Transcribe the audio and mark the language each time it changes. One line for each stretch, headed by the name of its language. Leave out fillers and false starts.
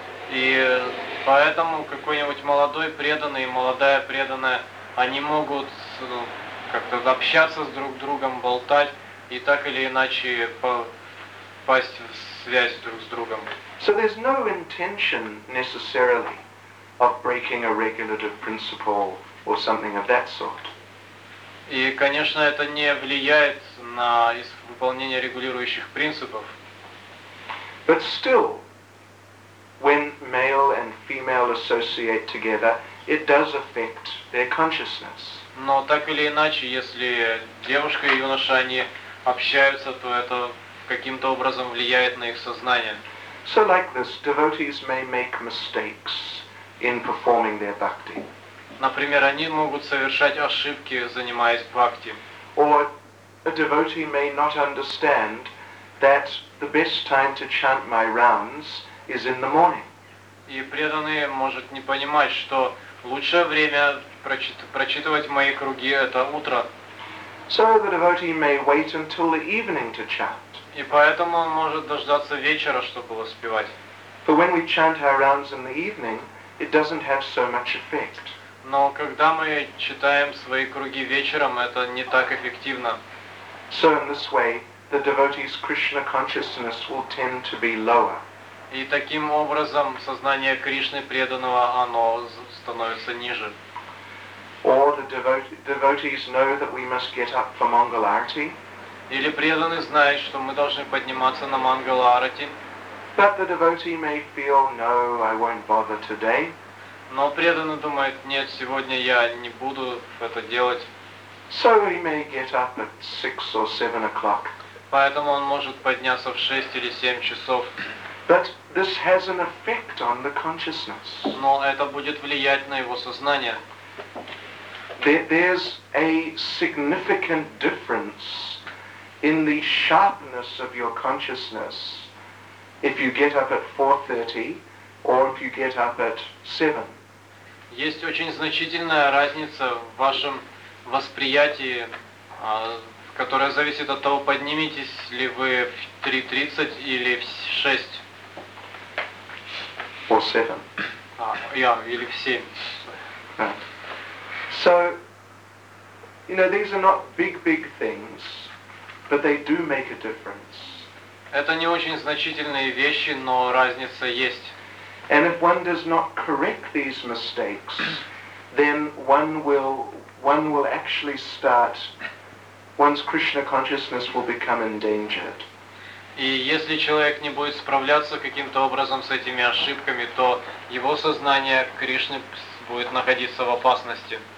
Russian: И поэтому какой-нибудь молодой преданный и молодая преданная, они могут как-то общаться с друг другом, болтать и так или иначе попасть в связь друг с другом.
English: So there's no intention necessarily of breaking a regulative principle or something of that sort.
Russian: И, конечно, это не влияет на выполнение регулирующих принципов.
English: But still, when male and female associate together, it does affect their consciousness.
Russian: Но так или иначе, если девушка и юноша они общаются, то это каким-то образом влияет на их сознание.
English: So like this, devotees may make mistakes in performing their bhakti.
Russian: Например, они могут совершать ошибки, занимаясь бхакти.
English: Or a devotee may not understand that the best time to chant my rounds is in the morning.
Russian: И преданные может не понимать, что лучшее время прочитывать мои круги это утро.
English: So the devotee may wait until the evening to chant.
Russian: И поэтому он может дождаться вечера, чтобы успевать.
English: But when we chant our rounds in the evening, it doesn't have so much effect.
Russian: Но когда мы читаем свои круги вечером, это не так эффективно.
English: So in this way, the devotee's Krishna consciousness will tend to be lower.
Russian: И таким образом сознание Кришны преданного оно становится ниже.
English: Or the devotees know that we must get up for Mangal Arati.
Russian: Или преданный знает, что мы должны подниматься на Мангал Арати.
English: But the devotee may feel, no, I won't bother today.
Russian: Но преданный думает, нет, сегодня я не буду это делать.
English: So he may get up at 6 or 7 o'clock.
Russian: Поэтому он может подняться в 6 или 7 часов.
English: But this has an effect on the consciousness.
Russian: Но это будет влиять на его сознание.
English: There's a significant difference in the sharpness of your consciousness if you get up at 4:30 or if you get up at 7.
Russian: Есть очень значительная разница в вашем восприятии, которая зависит от того, подниметесь ли вы в 3:30 или в 6.
English: Or 7.
Russian: Или в 7.
English: Right. So, you know, these are not big things, but they do make a difference.
Russian: Это не очень значительные вещи, но разница есть.
English: And if one does not correct these mistakes, then one will actually start, one's Krishna consciousness will become endangered.
Russian: И если человек не будет справляться каким-то образом с этими ошибками, то его сознание Кришны будет находиться в опасности.